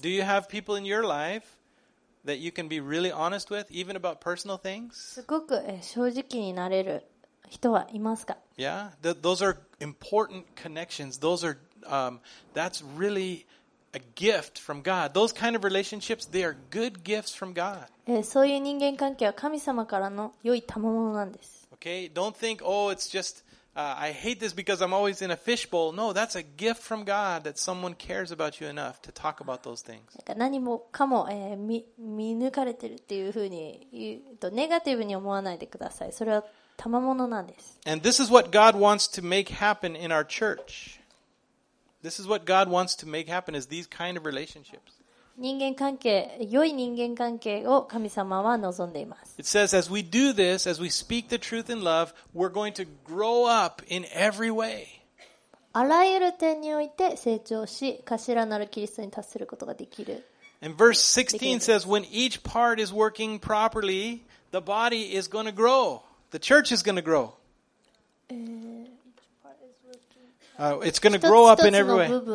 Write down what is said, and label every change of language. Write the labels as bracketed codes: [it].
[en] Do you have people in your life that you can be really honest with, even about personal things? [ja] すごく正直になれる人はいますか? [en] Yeah, those are important connections. Those are that's really a gift from God. Those kind of relationships, they are good gifts from God. [ja] そういう人間関係は神様からの良い賜物なんです。 [en] Okay, don't think, oh, it's just. I hate this because I'm always in a fishbowl. No, that's a gift from God that someone cares about you enough to talk about those things. [ja] 何もかも、見抜かれてるっていうふうに言うとネガティブに思わないでください。それは賜物なんです。 [en] And this is what God wants to make happen in our church. This is what God wants to make happen is these kind of relationships. [ja] 人間関係、良い人間関係を神様は望んでいます。 [en] It says, as we do this, as we speak the truth in love, we're going to grow up in every way. [ja] あらゆる点において成長し、頭なるキリストに達することができる。 [en] And verse 16 says, when each part is working properly, the body is going to grow. The church is going to grow. It's going to grow up in every way.